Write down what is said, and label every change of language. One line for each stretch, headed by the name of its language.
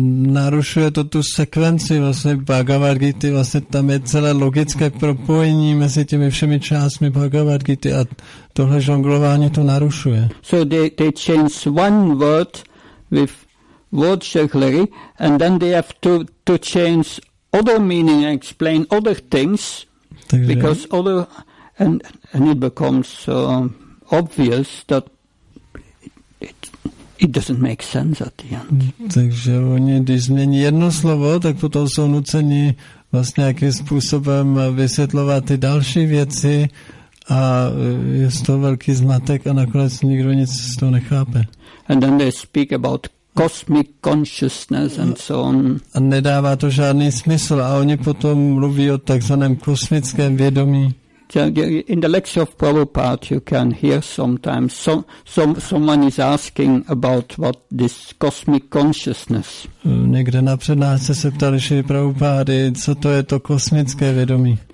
Czech: Narušuje to tu sekvenci vlastně Bhagavad Gita, vlastně tam je celé logické propojení mezi těmi všemi částmi Bhagavad Gita a tohle žonglování to narušuje.
English: So they change one word with word jugglery and then they have to change other meaning and explain other things.
Czech: Takže
English: because other and it becomes obvious that it doesn't make sense at the end.
Czech: Takže oni, když změní jedno slovo, tak potom jsou nuceni vlastně nějakým způsobem vysvětlovat ty další věci a je z toho velký zmatek a nakonec nikdo nic z toho nechápe.
English: And then they speak about cosmic consciousness and so on.
Czech: A nedává to žádný smysl a oni potom mluví o takzvaném kosmickém vědomí.
English: In the lecture of Prabhupada, you can hear sometimes someone is asking about what this cosmic consciousness.
Czech: Někde na přednášce se ptali Srila Prabhupády, co to je to kosmické vědomí.